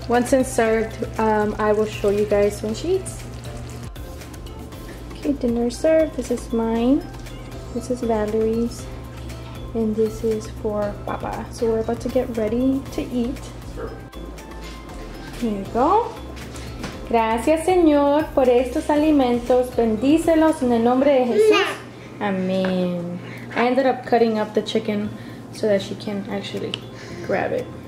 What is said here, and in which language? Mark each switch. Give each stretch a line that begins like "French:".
English: Once it's served, I will show you guys when she eats. Okay, dinner served. This is mine, this is Valerie's, and this is for Papa. So we're about to get ready to eat. Here you go.
Spanish: Gracias, Señor, por estos alimentos. Bendícelos en el nombre de Jesús. Amén.
English: I ended up cutting up the chicken so that she can actually grab it.